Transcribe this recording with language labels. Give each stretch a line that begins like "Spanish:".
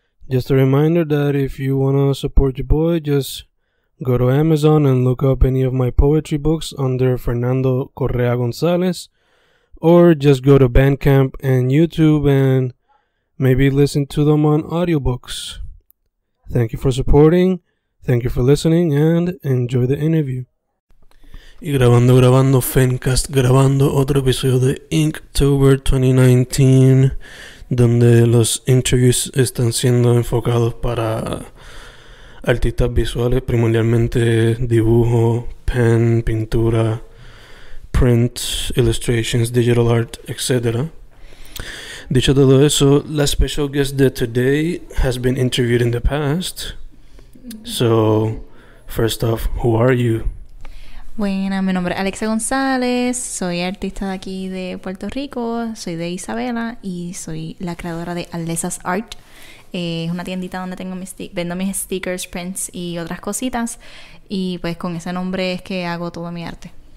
English: Just a reminder that if you want to support your boy, just go to Amazon and look up any of my poetry books under Fernando Correa González, or just go to Bandcamp and YouTube and maybe listen to them on audiobooks. Thank you for supporting, thank you for listening, and enjoy the interview.
Spanish: Y grabando, FENcast, grabando otro episodio de INKTOBER 2019, donde los interviews están siendo enfocados para artistas visuales, primordialmente dibujo, pen, pintura,
English: print, illustrations, digital art,
Spanish: etc. Dicho todo eso, la
English: special guest de today has been interviewed in the past. So, first off, who are you?
Spanish: Bueno, mi nombre es Alexxa González, soy artista de aquí de Puerto Rico, soy de Isabela y soy la creadora de Alexxa's Art. Es una tiendita donde tengo vendo mis stickers, prints y otras cositas, y pues con ese nombre es que hago todo mi arte.